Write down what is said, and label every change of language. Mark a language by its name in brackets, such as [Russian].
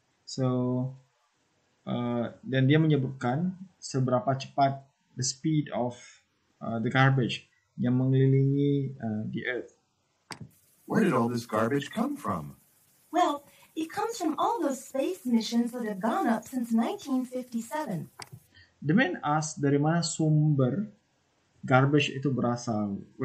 [Indonesian] So, dan dia menyebutkan seberapa cepat [English] the speed of the garbage [Indonesian] yang mengelilingi [English] the Earth. Where did all this garbage come from? Well, it comes from all those space missions that have gone up since 1957. The man asked, [Indonesian] dari mana sumber garbage itu berasal?